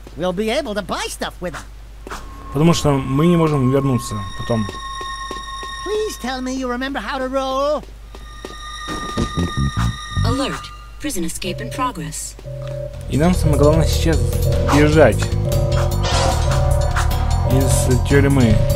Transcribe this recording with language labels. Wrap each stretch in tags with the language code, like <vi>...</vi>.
<en>We'll be able to buy stuff with them.</en> <ru>Потому что мы не можем вернуться потом.</ru> <en>Please tell me you remember how to roll. Alert! Prison escape in progress.</en> <ru>И нам самое главное сейчас бежать из тюрьмы.</ru>